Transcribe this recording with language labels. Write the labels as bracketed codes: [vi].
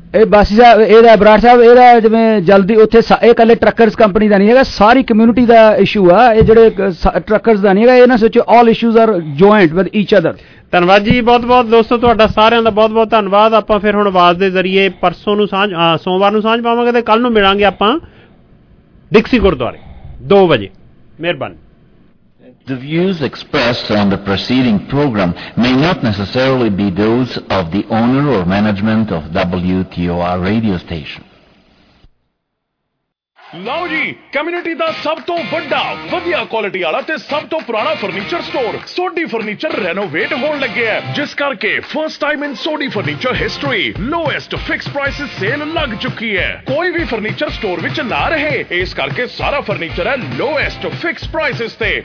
[pa] ਇਹ ਬਾਸੀ ਸਾਹਿਬ ਇਹਦਾ, ਬਰਾੜ ਸਾਹਿਬ ਇਹਦਾ, ਜਿਵੇਂ ਜਲਦੀ ਉੱਥੇ, ਇਹ ਇਕੱਲੇ ਟਰੱਕਰਸ ਕੰਪਨੀ ਦਾ ਨਹੀਂ ਹੈਗਾ, ਸਾਰੀ ਕਮਿਊਨਿਟੀ ਦਾ ਇਸ਼ੂ ਆ, ਇਹ ਜਿਹੜੇ ਟਰੱਕਰਸ ਦਾ ਨਹੀਂ ਹੈਗਾ, ਇਹਨਾਂ ਸੋਚੋ, [en] All issues are joint with each other. [pa] ਧੰਨਵਾਦ ਜੀ ਬਹੁਤ ਬਹੁਤ ਦੋਸਤੋ, ਤੁਹਾਡਾ ਸਾਰਿਆਂ ਦਾ ਬਹੁਤ ਬਹੁਤ ਧੰਨਵਾਦ। ਆਪਾਂ ਫਿਰ ਹੁਣ ਆਵਾਜ਼ ਦੇ ਜ਼ਰੀਏ ਪਰਸੋਂ ਨੂੰ ਸਾਂਝ, ਸੋਮਵਾਰ ਨੂੰ ਸਾਂਝ ਪਾਵਾਂਗੇ, ਅਤੇ ਕੱਲ੍ਹ ਨੂੰ ਮਿਲਾਂਗੇ ਆਪਾਂ ਡਿਕਸੀ ਗੁਰਦੁਆਰੇ 2 ਵਜੇ। ਮਿਹਰਬਾਨੀ। [en] The views expressed on the preceding program may not necessarily be those of the owner or management of WTOR radio station. [pa] ਲਓ ਜੀ, ਕਮਿਊਨਿਟੀ ਦਾ ਸਭ ਤੋਂ ਵੱਡਾ, ਵਧੀਆ ਕੁਆਲਿਟੀ ਵਾਲਾ ਤੇ ਸਭ ਤੋਂ ਪੁਰਾਣਾ furniture store Sodhi furniture renovate ਹੋਣ ਲੱਗਿਆ, ਜਿਸ ਕਰਕੇ [en] first time in Sodhi furniture history lowest fix price sale [pa] ਲੱਗ ਚੁੱਕੀ ਹੈ, ਕੋਈ ਵੀ ਫਰਨੀਚਰ ਸਟੋਰ ਵਿੱਚ ਨਾ ਰਹੇ, ਇਸ ਕਰਕੇ ਸਾਰਾ ਫਰਨੀਚਰ ਹੈ [en] lowest fix price [pa] ਤੇ।